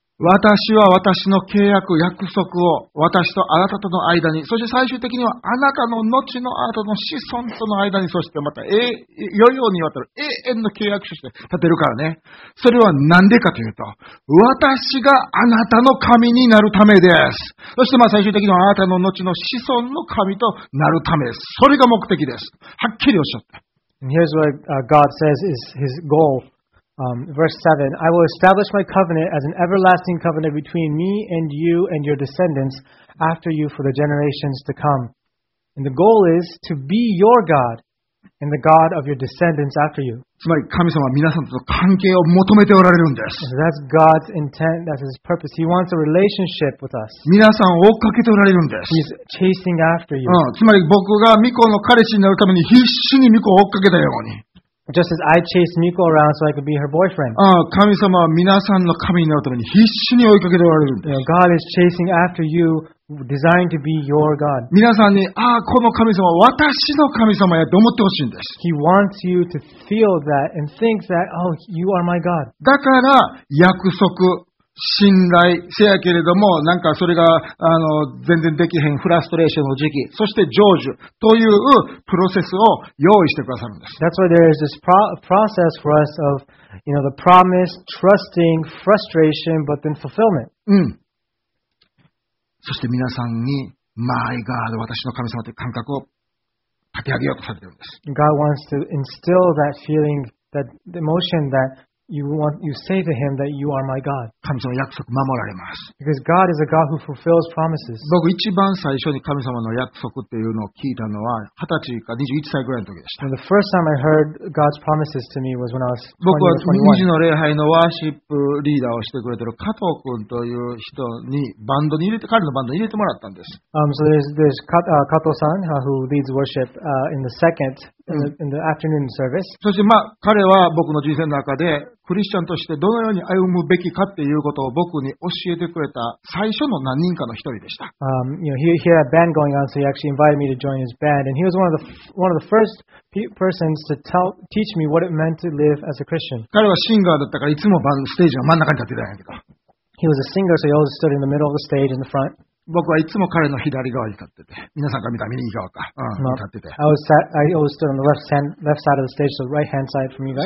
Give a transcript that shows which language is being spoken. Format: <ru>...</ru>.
<ja>私は私の契約、約束を私とあなたとの間に、そして最終的にはあなたの後のあなたの子孫との間に、そしてまた世々にわたる永遠の契約書として立てるからね。それは何でかというと、私があなたの神になるためです。そしてまあ最終的にはあなたの後の子孫の神となるためです。それが目的です。はっきりおっしゃった。</ja> <en>And here's what God says is his goal. Verse 7, I will establish my covenant as an everlasting covenant between me and you and your descendants after you for the generations to come. And the goal is to be your God and the God of your descendants after you.</en> <ja>つまり神様は皆さんと関係を求めておられるんです。</ja> <en>And、that's God's intent, that's His purpose. He wants a relationship with us.</en> <ja>皆さんを追っかけておられるんです。</ja> <en>He's chasing after you.</en> <ja>うん、つまり僕が巫女の彼氏になるために必死に巫女を追っかけたように。</ja> <en>Just as I chased Miko around so I could be her boyfriend. God is chasing after you, designed to be your God. He wants you to feel that and think that, oh, you are my God.</en> <ja>だから約束信頼せやけれどもなんかそれが全然できへんフラストレーションの時期そして成就というプロセスを用意してくださるんです。</ja> <en>That's why there is this process for us of, you know, the promise, trusting, frustration, but then fulfillment.</en> <ja>うん。そして皆さんに</ja> <en>My God,</en> <ja>私の神様という感覚を立て上げようとされているんです。</ja> <en>God wants to instill that feeling, that emotion that You say to him that you are my God.</en> <ja>神様の約束守られます。</ja> <en>Because God is a God who fulfills promises.</en> <ja>僕一番最初に神様の約束っていうのを聞いたのは二十歳か二十一歳ぐらいの時でした。</ja> <en>And the first time I heard God's promises to me was when I was 20 or 21.</en> <ja>僕は二時の礼拝のワーシップリーダーをしてくれてる加藤君という人にバンドに入れて彼のバンドに入れてもらったんです。</ja> <en>So there's Kato san who leads worship in the second in the afternoon service.</en> <ja>そしてまあ彼は僕の人生の中でクリスチャンとしてどのように歩むべきかっていうことを僕に教えてくれた最初の何人かの一人でした。</ja> <en>He had a band going on, so he actually invited me to join his band, and he was one of the first persons to teach me what it meant to live as a Christian.</en> <ja>彼はシンガーだったからいつもステージの真ん中に立ってたんやけど。</ja> <en>He was a singer, so he always stood in the middle of the stage in the front.</en> <ja>僕はいつも彼の左側に立ってて、皆さんが見た右側か、うん、立ってて。</ja> <en>I always stood on the left side of the stage, so right hand side from you guys.</en>